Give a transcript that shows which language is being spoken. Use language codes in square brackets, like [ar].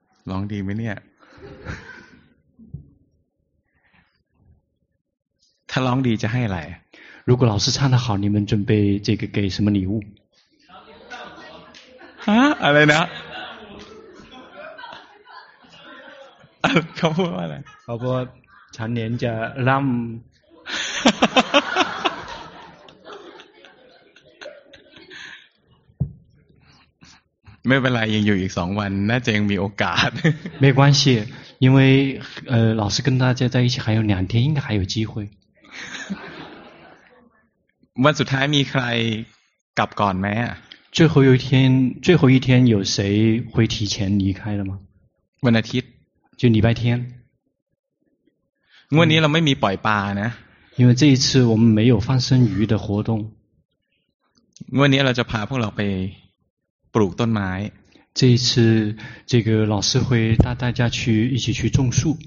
[th] ร้องดีไหมเนี่ยถ้าร้องดีจะให้อะไร [zh] 如果老师唱得好你们准备这个给什么礼物 [th] ฮะอะไรนะเขาพูดว่าอะไร เขาบอกว่าฉันเนี่ยจะร่ำ ไม่เป็นไรยังอยู่อีก2วันน่าจะยังมีโอกาส [zh] 没关系因为老师跟大家在一起还有两天应该还有机会 [th] วันสุดท้ายมีใครกลับก่อนไหม [zh] 最后一天最后一天有谁会提前离开了吗 [th] วันอาทิตย์ [zh] 就礼拜天 [th] งวดนี้เราไม่มีปล่อยปลานะ [zh] 因为这一次我们没有放生鱼的活动 [th] วันนี้เราจะพาพวกเราไปปลูกต้นไม้ [zh] 这一次这个老师会带大家去一起去种树